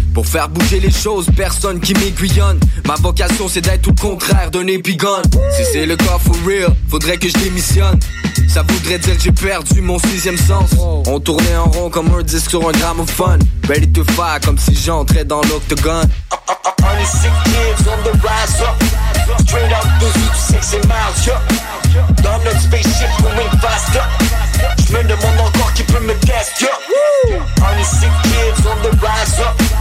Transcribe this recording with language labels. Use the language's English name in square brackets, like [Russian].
[French] Pour faire bouger les choses, personne qui m'aiguillonne. Ma vocation c'est d'être tout le contraire d'un épigone. Si c'est le cas [English] for real, [French] faudrait que je démissionne. Ça voudrait dire que j'ai perdu mon 6e sens. On tournait en rond comme un disque sur un gramophone. [English] Ready to fire [French] comme si j'entrais dans l'octogone. On est [English] sick kids on the rise up. Straight up to 6 miles, yeah. [French] Dans notre spaceship, [English] we went faster. [French] J'me demande encore qui peut me test, yeah. On est [English] sick kids on the rise up.